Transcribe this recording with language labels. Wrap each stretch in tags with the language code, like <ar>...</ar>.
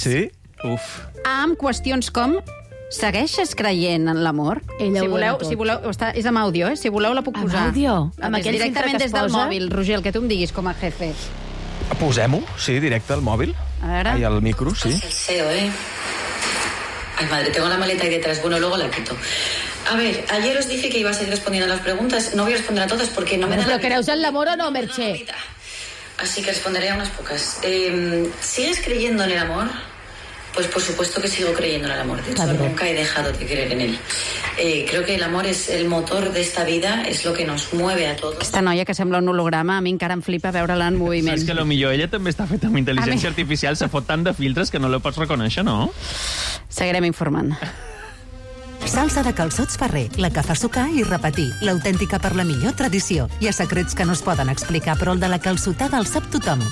<ca>Sí? Uf. Amb qüestions com... Segueixes creient en l'amor? Si voleu, està, és amb àudio, eh? Si voleu, la puc posar. Amb àudio? Amb aquell directament des del mòbil, Roger, el que tu em diguis com a jefe. Posem-ho, sí, directe al mòbil. A veure. Ai, al micro, sí. El CEO, eh?</ca> <es>Ay, madre, tengo la maleta ahí detrás. Bueno, luego la quito. A ver, ayer os dije que iba a seguir respondiendo a las preguntas. No voy a responder a todas porque no me da la...</es> <ca>¿Pero creus en l'amor o no, Merche?</ca> <es>Así que responderé a unas pocas. ¿Sigues creyendo en el amor? Pues por supuesto que sigo creyendo en el amor. De hecho, claro, nunca he dejado de creer en él. Creo que el amor es el motor de esta vida, es lo que nos mueve a todos.</es> <ca>Esta noia que sembla un holograma, a mi encara em flipa veure-la en moviment. És que potser ella també està feta amb intel·ligència artificial, se fot tant de filtres que no la pots reconèixer, no? Seguirem informant. Salsa de calçots Ferrer, la que fa sucar i repetir, l'autèntica per la millor tradició. Hi ha secrets que no es poden explicar, però el de la calçotada el sap tothom.</ca>